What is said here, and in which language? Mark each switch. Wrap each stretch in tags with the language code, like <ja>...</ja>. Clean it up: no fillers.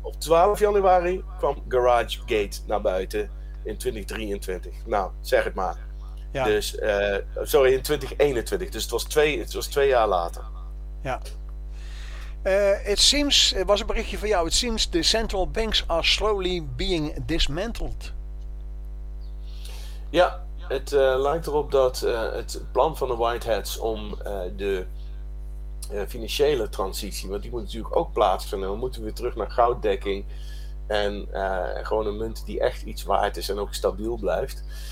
<nl>Op 12 januari kwam GarageGate naar buiten in 2023. Nou, zeg het maar. Ja. Dus, sorry, in 2021. Dus het was twee jaar later. Ja.</nl> <en>It seems,</en> <nl>was een berichtje van jou,</nl> <en>it seems the central banks are slowly being dismantled.</en> <nl>Ja, het lijkt erop dat het plan van de White Hats om de financiële transitie, want die moet natuurlijk ook plaatsvinden, we moeten weer terug naar gouddekking en gewoon een munt die echt iets waard is en ook stabiel blijft.</nl>